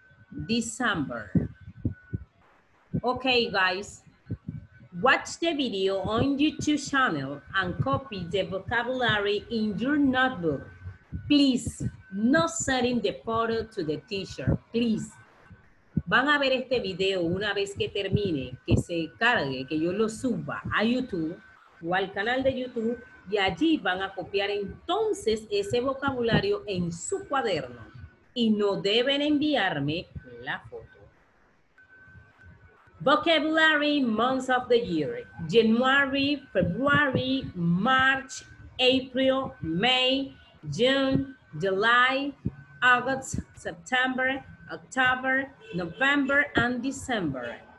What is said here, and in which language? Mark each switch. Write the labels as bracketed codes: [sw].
[en] December. Okay, guys, watch the video on YouTube channel and copy the vocabulary in your notebook. Please, no sending the photo to the teacher, please. [es] Van a ver este video una vez que termine, que se cargue, que yo lo suba a YouTube o al canal de YouTube, y allí van a copiar entonces ese vocabulario en su cuaderno y no deben enviarme la foto. [en] Vocabulary months of the year: January, February, March, April, May, June, July, August, September, October, November, and December.